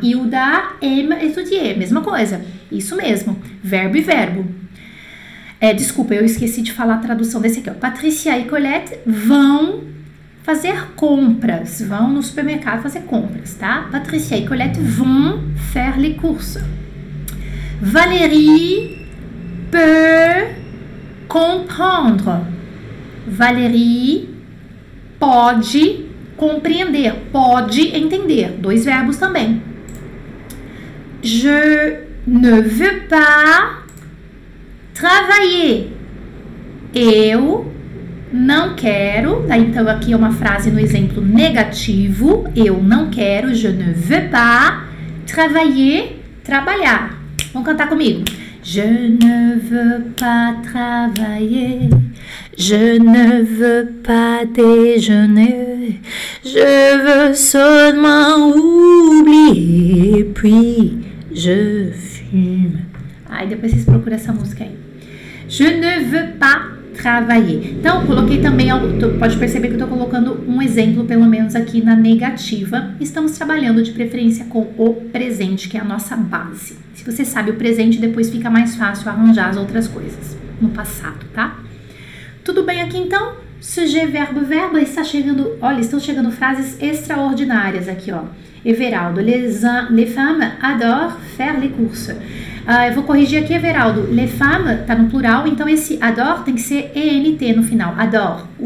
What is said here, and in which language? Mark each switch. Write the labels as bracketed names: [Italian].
[French] Hilda aime étudier. [Portuguese] Mesma coisa. Isso mesmo. Verbo e verbo. Desculpa, eu esqueci de falar a tradução desse aqui. Ó. Patricia e Colette vão fazer compras. Vão no supermercado fazer compras, tá? Patricia e Colette vão [French] faire les courses. Valérie peut comprendre. [Portuguese] Valérie pode compreender, pode entender. Dois verbos também. [French] Je ne veux pas. Travailler. [Portuguese] Eu não quero. Tá? Então, aqui é uma frase no exemplo negativo. Eu não quero. [French] Je ne veux pas travailler. [Portuguese] Trabalhar. Vamos cantar comigo. [French] Je ne veux pas travailler, je ne veux pas déjeuner, je veux seulement oublier, puis je fume. [Portuguese] Aí depois vocês procuram essa música aí. [French] Je ne veux pas travailler. [Portuguese] Então, coloquei também, pode perceber que eu estou colocando um exemplo, pelo menos aqui na negativa. Estamos trabalhando de preferência com o presente, que é a nossa base. Se você sabe o presente, depois fica mais fácil arranjar as outras coisas no passado, tá? Tudo bem aqui então? Sujet, verbo, verbo, está chegando. Olha, estão chegando frases extraordinárias aqui, ó. [French] Everaldo, les femmes adorent faire les courses. [Portuguese] Eu vou corrigir aqui, Everaldo. Les femmes tá no plural, então esse adore tem que ser ENT no final. Adore.